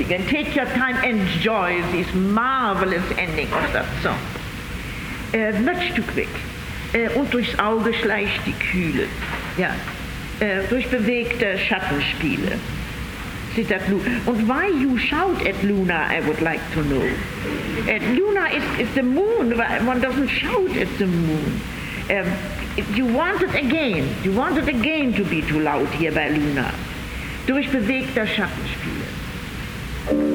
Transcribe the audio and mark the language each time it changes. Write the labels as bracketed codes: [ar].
[en] Take your time, enjoy this marvelous ending of that song. Much too quick. [de] Und durchs Auge schleicht die kühle, ja, durch bewegte Schattenspiele. [en] And why you shout at Luna, I would like to know. Luna is the moon. One doesn't shout at the moon. You want it again. You want it again to be too loud here by Luna. [de] Durch bewegter Schattenspiele.